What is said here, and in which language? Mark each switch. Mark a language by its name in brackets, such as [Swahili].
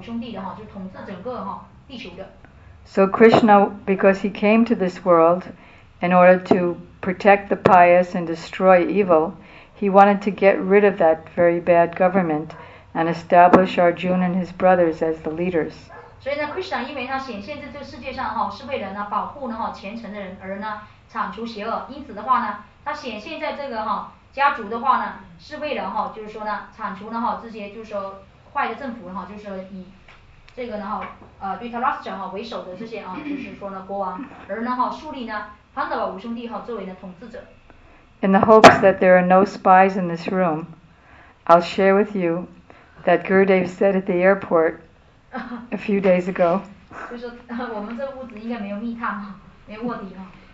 [Chinese] 想夺取这个王位，而这个王位呢是呢合法的，应该属于潘德瓦五兄弟的，就统治整个地球的。 [English] So Krishna, because he came to this world in order to protect the pious and destroy evil, he wanted to get rid of that very bad government and establish Arjuna and his brothers as the leaders. [Chinese] 所以呢, Krishna 因为他显现在这个世界上是为了保护虔诚的人而铲除邪恶，因此的话呢，他显现在这个 家族的话呢，是为了哈，就是说呢，铲除呢哈这些就是说坏的政府哈，就是以这个呢哈，Dhritarashtra哈为首的这些啊，就是说呢国王，而呢哈树立呢潘德瓦五兄弟哈作为呢统治者。 [English] In the hopes that there are no spies in this room, I'll share with you that Gurudev said at the airport a few days ago. [Chinese] 就是我们这屋子应该没有密探哈，没有卧底哈。